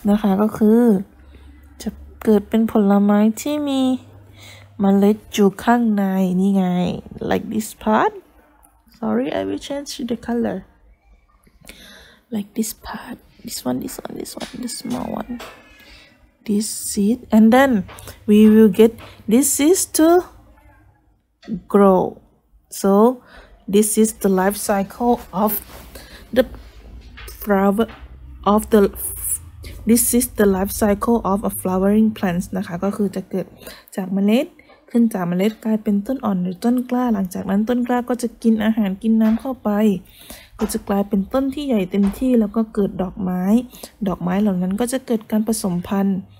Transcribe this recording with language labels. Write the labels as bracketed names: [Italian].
[Thai] นะคะก็คือจะเกิดเป็นผลไม้ที่มีเมล็ดอยู่ข้างในนี่ไง [English] Like this part. Sorry, I will change the color. Like this part, this small one, this seed, and then we will get this seed to grow. So this is the life cycle of the flower, of the This is the life cycle of a flowering plant [Thai] นะคะก็คือจะเกิดจากเมล็ดขึ้นจากเมล็ดกลายเป็นต้นอ่อนหรือต้นกล้าหลังจากนั้นต้นกล้าก็จะกินอาหารกินน้ำเข้าไปก็จะกลายเป็นต้นที่ใหญ่เต็มที่แล้วก็เกิดดอกไม้ดอกไม้เหล่านั้นก็จะเกิดการผสมพันธุ์